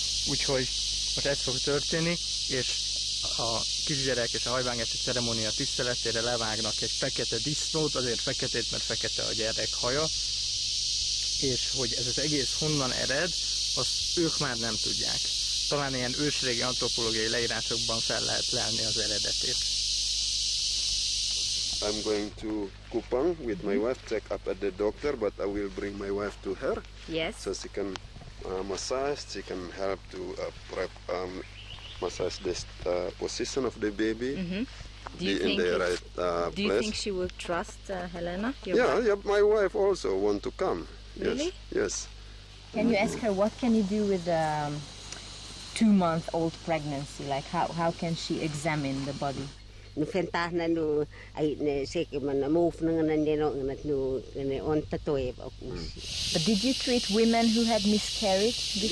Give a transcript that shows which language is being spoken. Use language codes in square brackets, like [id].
[hu] Úgyhogy most ez fog történni, és a kisgyerek és a hajvágási ceremónia tiszteletére levágnak egy fekete disznót, azért feketét, mert fekete a gyerek haja, és hogy ez az egész honnan ered, azt ők már nem tudják. Talán ilyen ősrégi antropológiai leírásokban fel lehet lelni az eredetét. [en] I'm going to Kupang with my wife, check up at the doctor, but I will bring my wife to her. Yes. So she can massage, she can help to prep, massage the position of the baby, mm-hmm. Be in the right place. Do you think she will trust Helena? Yeah, wife? Yeah. My wife also want to come. Really? Yes. Yes. Can you ask her, what can you do with the 2-month-old pregnancy? Like, how can she examine the body? No fentah na no ay ne seke man na move na ngan ni no ngan no ne on tatoe ba usi. But did you treat women who had miscarried before?